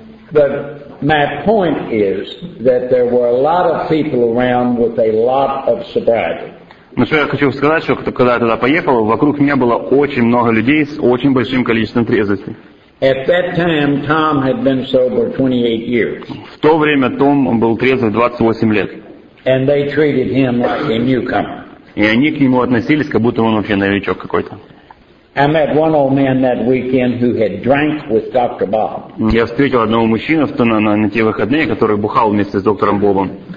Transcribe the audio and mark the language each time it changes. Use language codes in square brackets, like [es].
[en] But my point is that there were a lot of people around with a lot of sobriety. [ru] Ну что я хочу сказать, что когда я туда поехал, вокруг меня было очень много людей с очень большим количеством трезвости. [en] At that time, Tom had been sober 28 years. [ru] В то время Том был трезвый 28 лет. [en] And they treated him like a newcomer. [ru] И они к нему относились, как будто он вообще новичок какой-то. [en] I met one old man that weekend who had drank with Dr. Bob. [ru] Я встретил одного мужчину на те выходные, который бухал вместе с доктором Бобом.